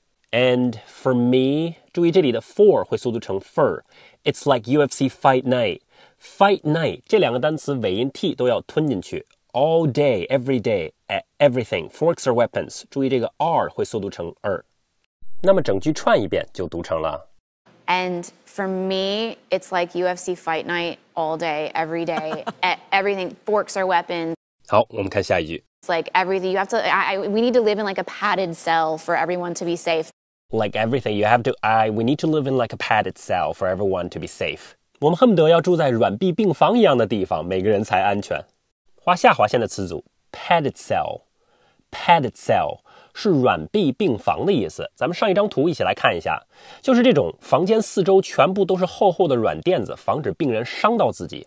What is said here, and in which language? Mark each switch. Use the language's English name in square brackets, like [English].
[English] And for me, [Chinese] 注意这里的 for 会缩读成 fur. [English] It's like UFC fight night. Fight night, [Chinese] 这两个单词尾音 T 都要吞进去。 [English] All day, every day, at everything, forks are weapons. [Chinese] 注意这个 R 会缩读成 R. 那么整句串一遍就读成了。 [English] And for me, it's like UFC fight night, all day, every day, at everything, forks are weapons. [Chinese] 好我们看下一句。 [English] It's like everything, you have to, we need to live in like a padded cell for everyone to be safe. Like everything, you have to, we need to live in like a padded cell for everyone to be safe. [Chinese] 我们恨不得要住在软壁病房一样的地方，每个人才安全。画下划线的词组 ,padded cell. Padded cell 是软壁病房的意思。咱们上一张图一起来看一下。就是这种房间四周全部都是厚厚的软垫子防止病人伤到自己。